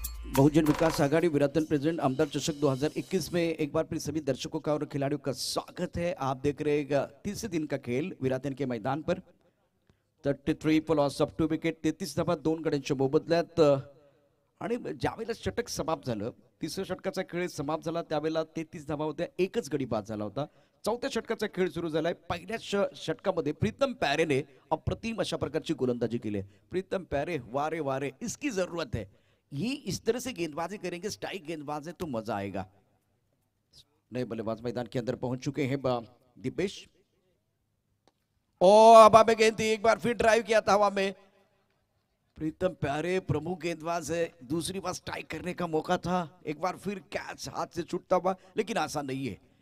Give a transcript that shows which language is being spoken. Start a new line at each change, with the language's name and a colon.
Hindi: बहुजन विकास Aghadi विराधन president आमदार चषक 2021 में एक बार फिर सभी दर्शकों का और खिलाड़ियों का स्वागत है। आप देख रहे हैं तीसरे दिन का खेल विराधन के मैदान पर,
Marathi: 33 प्लस ऑफ 2 विकेट, 33 धावा, 2 गड्यांच्या मोबदल्यात, आणि ज्यावेळेला षटक समाप्त झालं, तिसऱ्या षटकाचा खेळ समाप्त झाला त्यावेळेला 33 धावा होत्या, एकच गडी बाद झाला होता। चौथ्या षटकाचा खेळ सुरू झालाय, पहिल्या षटकामध्ये प्रीतम पॅरेने अप्रतिम अशा प्रकारची गोलंदाजी केली।
Hindi: प्रीतम पॅरे वारे वारे इसकी जरूरत है, ये इस तरह से गेंदबाजी करेंगे, स्ट्राइक गेंदबाज है तो मजा आएगा। नए बल्लेबाज मैदान के अंदर पहुंच चुके हैं दिपेश। ओ अबा में गेंद एक बार फिर ड्राइव किया था हवा में, प्रीतम प्यारे प्रमुख गेंदबाज है, दूसरी बार स्ट्राइक करने का मौका था, एक बार फिर कैच हाथ से छूटता हुआ, लेकिन आसान नहीं है।